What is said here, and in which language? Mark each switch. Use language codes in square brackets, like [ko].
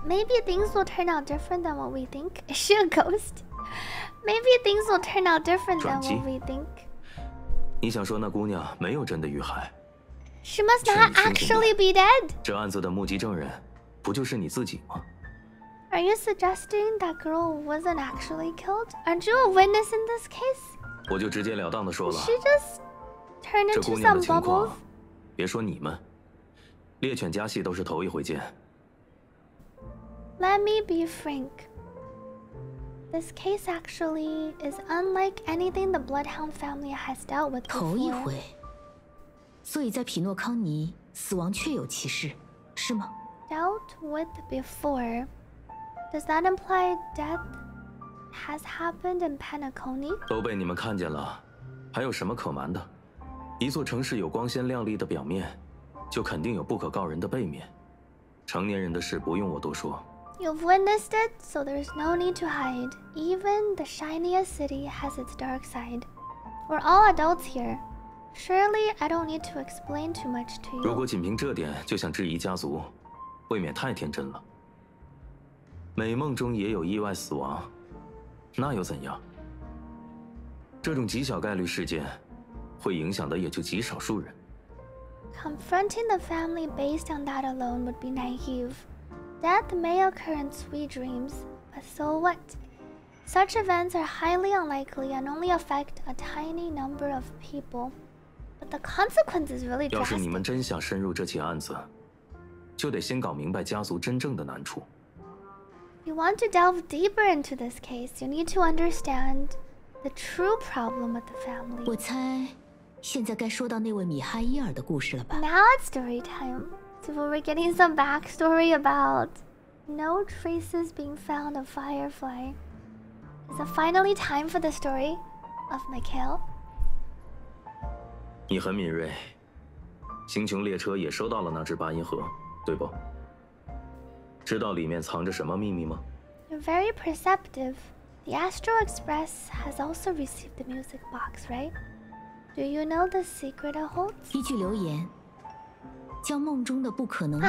[en] Maybe things will turn out different than what we think. Is she a ghost? Maybe things will turn out different than what we think. [zh] 你想说那姑娘没有真的遇害 [en] ？She must not actually be dead. [zh] 这案子的目击证人不就是你自己吗 [en] ？Are you suggesting that girl wasn't actually killed? Aren't you a witness in this case? [zh] 我就直截了当的说了。 [en] She just turned into some bubbles. [zh] 这姑娘的情况，别说你们，猎犬家系都是头一回见。 [en] Let me be frank. This case actually is unlike anything the Bloodhound family has dealt with before. [zh] 头一回，所以在匹诺康尼死亡确有其事，是吗 [en] ？Dealt with before. Does that imply death has happened in Pentacone? [zh] 都被你们看见了，还有什么可瞒的？一座城市有光鲜亮丽的表面，就肯定有不可告人的背面。成年人的事不用我多说。 [en] You've witnessed it, so there's no need to hide. Even the shiniest city has its dark side. We're all adults here. Surely I don't need to explain too much to you. [zh] 如果仅凭这点就想质疑家族，未免太天真了。美梦中也有意外死亡，那又怎样？这种极小概率事件，会影响的也就极少数人。 [en] Confronting the family based on that alone would be naive. Death may occur in sweet dreams, but so what? Such events are highly unlikely and only affect a tiny number of people. But the consequences really drastic. [zh] 要是你们真想深入这起案子，就得先搞明白家族真正的难处。 [en] You want to delve deeper into this case, you need to understand the true problem with the family. [zh] 我猜，现在该说到那位米哈伊尔的故事了吧 [en] ？Now it's story time. So we're getting some backstory about no traces being found of Firefly. Is it finally time for the story of Mikhail? [zh] 你很敏锐，星穹列车也收到了那只八音盒，对不？知道里面藏着什么秘密吗？ [en] You're very perceptive. The Astro Express has also received the music box, right? Do you know the secret it holds? [zh] 依据留言，将梦中的不可能